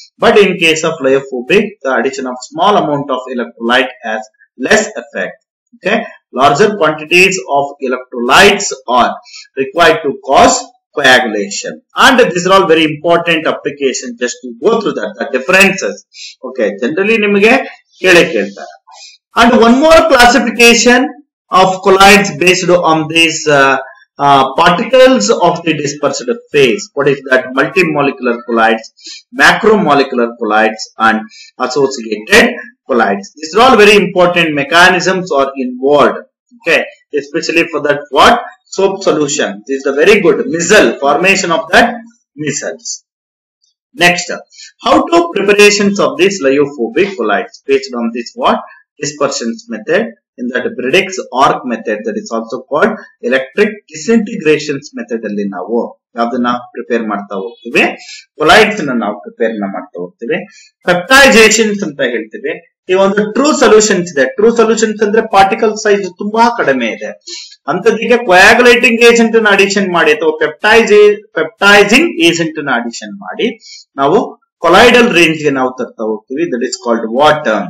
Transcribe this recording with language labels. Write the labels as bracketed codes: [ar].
[en] But in case of lyophobic, the addition of small amount of electrolyte has less effect. Okay, larger quantities of electrolytes are required to cause coagulation. And these are all very important applications. Just to go through that, the differences. [kn] Okay, generally nimge ಕೇಳ್ತಾರೆ. [en] And one more classification of colloids based on these particles of the dispersed phase. What is that? Multi molecular colloids, macro molecular colloids and associated colloids. This are all very important mechanisms are involved. Okay, especially for that what? Soap solution. This is the very good micelle, formation of that micelles. Next, how to preparations of this lyophobic colloids based on this what? Dispersions method, in that Bredig's arc method, that is also called electric disintegrations method. [kn] ಅಲ್ಲಿ ನಾವು ಯಾವ್ದನ್ನ prepare ಮಾಡ್ತಾ ಹೋಗ್ತೀವಿ? Colloids ನ ನಾವು prepare ಮಾಡ್ತಾ ಹೋಗ್ತೀವಿ. ಪೆಪ್ಟೈಜೇಷನ್ಸ್ ಅಂತ ಹೇಳ್ತೀವಿ. ಈ ಒಂದು ಟ್ರೂ ಸೊಲ್ಯೂಷನ್ಸ್ ಇದೆ. ಟ್ರೂ ಸೊಲ್ಯೂಷನ್ಸ್ ಅಂದ್ರೆ ಪಾರ್ಟಿಕಲ್ ಸೈಜ್ ತುಂಬಾ ಕಡಿಮೆ ಇದೆ. ಅಂತದಿಗೆ ಕೊಯಾಗುಲೇಟಿಂಗ್ ಏಜೆಂಟ್ ನ ಅಡಿಷನ್ ಮಾಡಿ ಅಥವಾ ಪೆಪ್ಟೈಜಿಂಗ್ ಏಜೆಂಟ್ ನ ಅಡಿಷನ್ ಮಾಡಿ ನಾವು ಕೊಲಾಯ್ಡಲ್ ರೇಂಜ್ ಗೆ ನಾವು ತರ್ತಾ ಹೋಗ್ತೀವಿ. [en] That is called what?